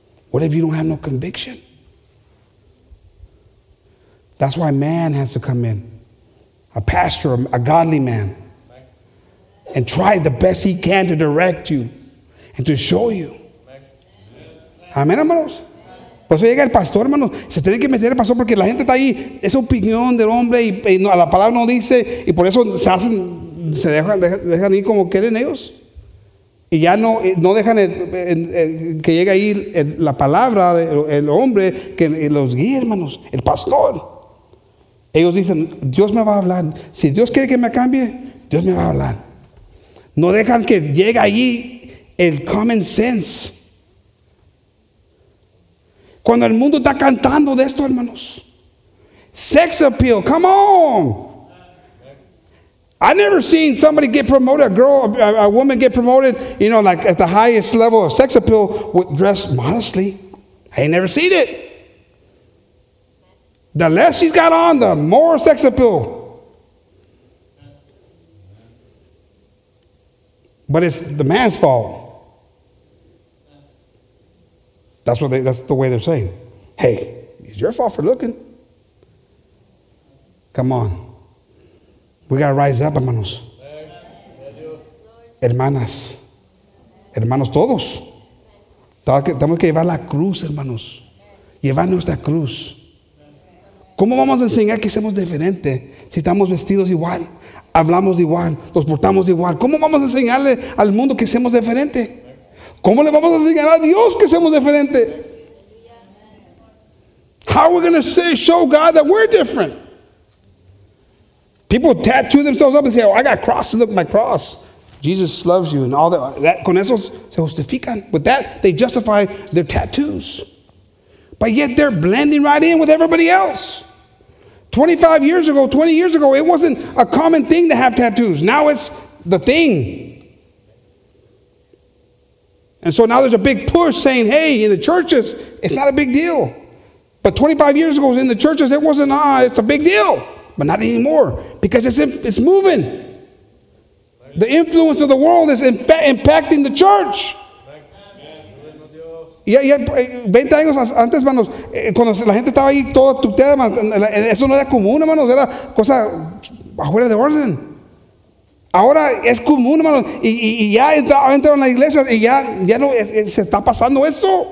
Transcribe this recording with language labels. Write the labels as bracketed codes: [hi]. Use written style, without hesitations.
[en] What if you don't have no conviction? That's why man has to come in, a pastor, a godly man, and try the best he can to direct you and to show you. [es] Amén, hermanos. Por eso llega el pastor, hermanos. Se tiene que meter el pastor porque la gente está ahí. Es opinión del hombre y a la palabra no dice. Y por eso se hacen, se dejan ir como quieren ellos. Y ya no dejan que llegue ahí la palabra del hombre que los guíe, hermanos. El pastor. Ellos dicen, Dios me va a hablar. Si Dios quiere que me cambie, Dios me va a hablar. No dejan que llegue allí el [en] common sense. [es] Cuando el mundo está cantando de esto, hermanos. [en] Sex appeal, come on. I never seen somebody get promoted, a girl, a woman get promoted, you know, like at the highest level of sex appeal, dressed modestly. I ain't never seen it. The less she's got on, the more sex appeal. But it's the man's fault. That's the way they're saying. Hey, it's your fault for looking. Come on. We got to rise up, [es] hermanos. Hermanas. Hermanos todos. Tenemos que llevar la cruz, hermanos. Llevar nuestra cruz. ¿Cómo vamos a enseñar que somos diferentes si estamos vestidos igual, hablamos igual, nos portamos igual? ¿Cómo vamos a enseñarle al mundo que somos diferentes? ¿Cómo le vamos a enseñar a Dios que somos diferentes? [en] How are we going to say, show God that we're different? People tattoo themselves up and say, oh, I got a cross, look at my cross. Jesus loves you and all that. [es] Con eso se justifican. [en] With that, they justify their tattoos. But yet they're blending right in with everybody else. 25 years ago, 20 years ago, it wasn't a common thing to have tattoos. Now it's the thing. And so now there's a big push saying, hey, in the churches, it's not a big deal. But 25 years ago, in the churches, it wasn't, it's a big deal. But not anymore, because it's moving. The influence of the world is impacting the church. [es] Y 20 años antes, hermanos, cuando la gente estaba ahí toda tuteada, eso no era común, hermanos, era cosa afuera de orden. Ahora es común, hermanos, y ya entraron a la iglesia y ya no se está pasando esto.